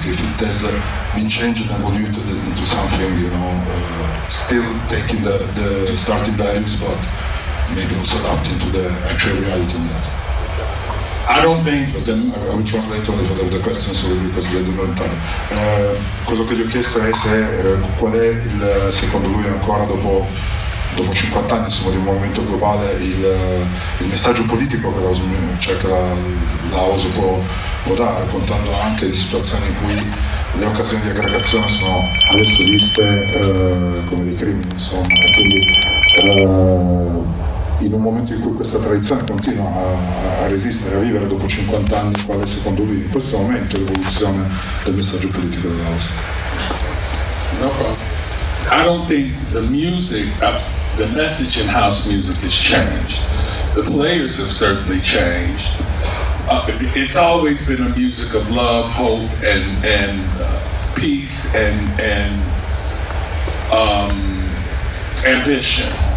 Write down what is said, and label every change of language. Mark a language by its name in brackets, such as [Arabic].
[English] If it has been changed and evolved into something, you know, still taking the starting values, but maybe also adapt into the actual reality in that. I don't think. But then I will translate only for the question, sorry, because they do not understand. [Italian] Quello che gli ho chiesto è se qual è il, secondo lui, ancora dopo 50 anni, insomma, di un movimento globale, il messaggio politico che la OSU può dare, contando anche le situazioni in cui le occasioni di aggregazione sono adesso viste come dei crimini, insomma. Quindi, in un momento in cui questa tradizione continua a resistere, a vivere dopo 50 anni, quale secondo lui in questo momento l'evoluzione del messaggio politico della house? [English] No problem. I don't think the music, the message in house music has changed. The players have certainly changed. It's always been a music of love, hope, and peace, and ambition.